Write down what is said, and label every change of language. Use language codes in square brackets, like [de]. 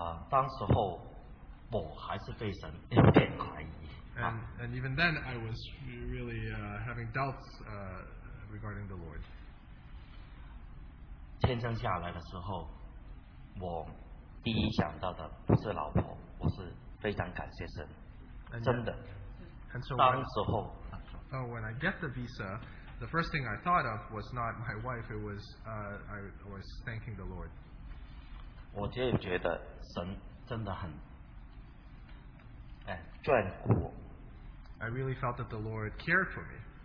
[zh] 当时候我还是对神有点怀疑。 [en] And even then, I was really having doubts regarding the Lord. [zh] 签证下来的时候，我第一想到的不是老婆，我是非常感谢神，真的。当时候， [en] when I get the visa, the first thing I thought of was not my wife. It was I was thanking the Lord. [zh] 我就觉得神真的很眷顾。 [en] I really felt that the Lord cared for me.